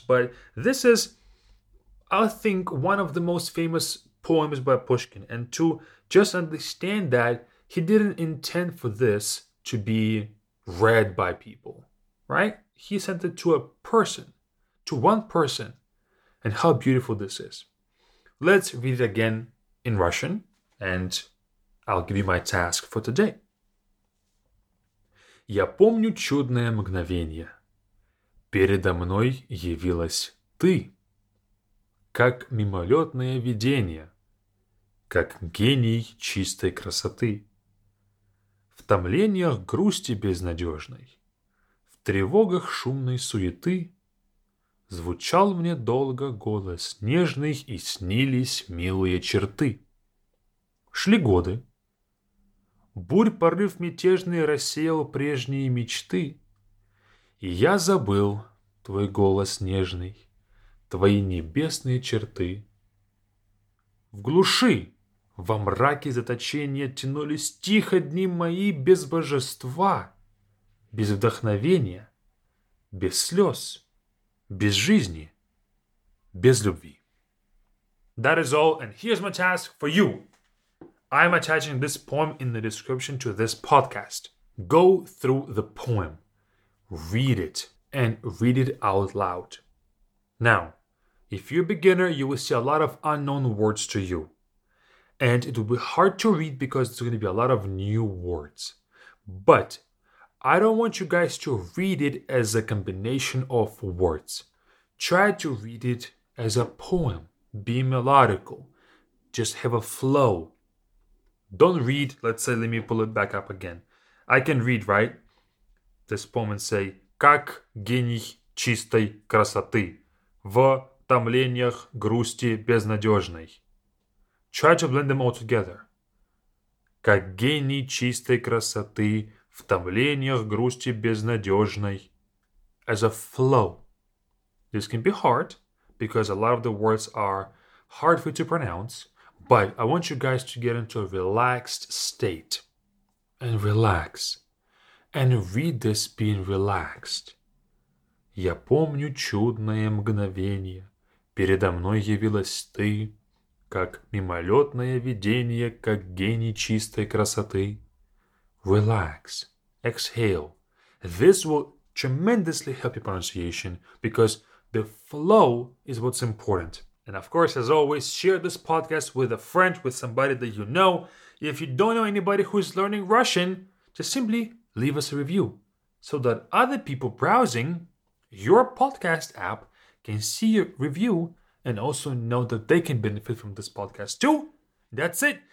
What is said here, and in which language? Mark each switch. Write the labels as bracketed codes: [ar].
[en] But this is, I think, one of the most famous poems by Pushkin, and to just understand that he didn't intend for this to be read by people, right? He sent it to a person, to one person, and how beautiful this is. Let's read it again in Russian, and I'll give you my task for today. [ru] Я помню чудное мгновение. Передо мной явилась ты. Как мимолетное видение, как гений чистой красоты. В томлениях грусти безнадежной, в тревогах шумной суеты звучал мне долго голос нежный, и снились милые черты. Шли годы. Бурь порыв мятежный рассеял прежние мечты, и я забыл твой голос нежный, твои небесные черты. В глуши, во мраке заточения тянулись тихо дни мои без божества, без вдохновения, без слез, без жизни, без любви. [en] That is all, and here's my task for you. I'm attaching this poem in the description to this podcast. Go through the poem, read it, and read it out loud. Now, if you're a beginner, you will see a lot of unknown words to you. And it will be hard to read because it's going to be a lot of new words. But I don't want you guys to read it as a combination of words. Try to read it as a poem. Be melodical. Just have a flow. Don't read, let's say, let me pull it back up again. I can read, right? This poem and say, [ru] как гений чистой красоты в томлениях грусти безнадежной. [en] Try to blend them all together. [ru] Как гений чистой красоты в томлениях грусти безнадежной. [en] As a flow. This can be hard because a lot of the words are hard for you to pronounce. But I want you guys to get into a relaxed state and relax and read this being relaxed. [ru] Я помню чудное мгновение. Передо мной явилась ты, как мимолетное видение, как гений чистой красоты. [en] Relax. Exhale. This will tremendously help your pronunciation because the flow is what's important. And of course, as always, share this podcast with a friend, with somebody that you know. If you don't know anybody who is learning Russian, just simply leave us a review so that other people browsing your podcast app can see your review and also know that they can benefit from this podcast too. That's it.